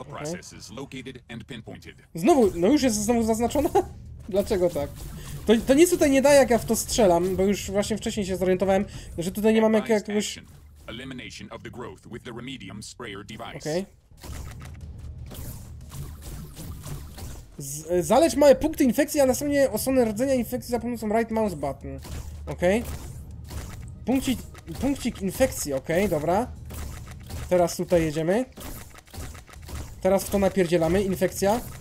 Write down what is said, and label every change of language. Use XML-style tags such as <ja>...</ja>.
<pl>Okay. Znowu, no już jest znowu zaznaczona? Dlaczego tak? To nic tutaj nie daje, jak ja w to strzelam, bo już właśnie wcześniej się zorientowałem, że tutaj nie mam jakiegoś...</pl> <en>Elimination of the growth with the remedium sprayer device.</en> <pl>Okay. Zalecz małe punkty infekcji, a następnie osłonę rdzenia infekcji za pomocą</pl> <en>right mouse button.</en> <pl>Okej. Okay. Punkcik punkcik infekcji, okej, okay, dobra. Teraz tutaj jedziemy. Teraz w to napierdzielamy, infekcja.</pl>